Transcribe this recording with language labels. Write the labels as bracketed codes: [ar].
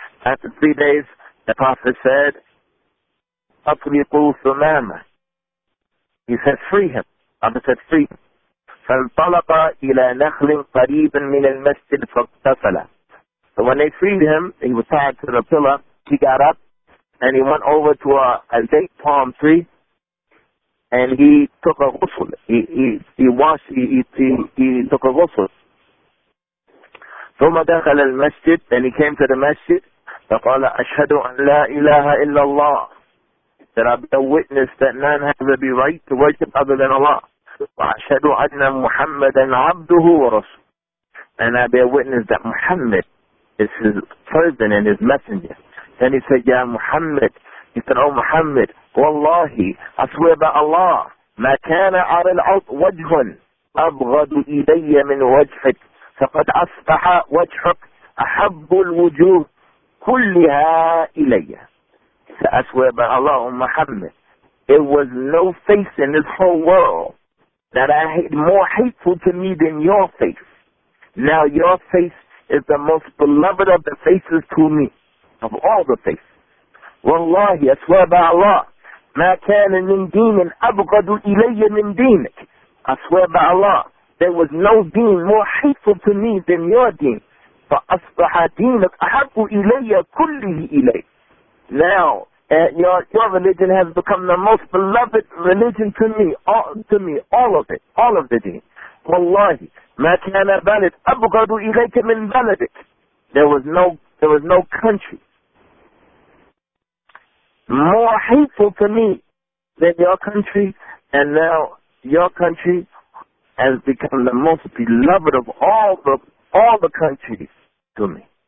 [en] After 3 days, the Prophet said, [ar] "Atliqu [en] Sumama." He said, "Free him." Abu said, "Free him." [ar] فانطلق إلى نخل قريب من المسجد فاغتسل. [en] So when they freed him, he was tied to the pillar, he got up, and he went over to a date palm tree, and he took a ghusl. He washed, he took a ghusl. [ar] ثم دخل المسجد, [en] then he came to the masjid, [ar] فقال أشهد أن لا إله إلا الله. [en] That I be a witness that none has the right to worship other than Allah. [ar] وأشهد أن محمدا عبده ورسول. [en] And I be a witness that Muhammad is his servant and his messenger. Then he said, Ya Muhammad. He said, Oh Muhammad, Wallahi, I swear by Allah, [ar] ما كان على الأرض وجه أبغض إلي من وجهك، فقد أصبح وجهك أحب الوجوه كلها إلي. [en] So I swear by Allah on Muhammad, it was no face in this whole world that I hate more hateful to me than your face. Now your face is the most beloved of the faces to me, of all the faces. [ar] Wallahi, [en] I swear by Allah, [ar] ما كان من دين أبغض إلي من دينك. [en] I swear by Allah, there was no deen more hateful to me than your deen. [ar] فأصبح دينك أحب إلي كله إلي. [en] Now, your religion has become the most beloved religion to me, all of the deen. [ar] Wallahi, ما كان بلد أبغض إليك من بلدك. [en] There was no country more hateful to me than your country, and now your country has become the most beloved of all the countries to me.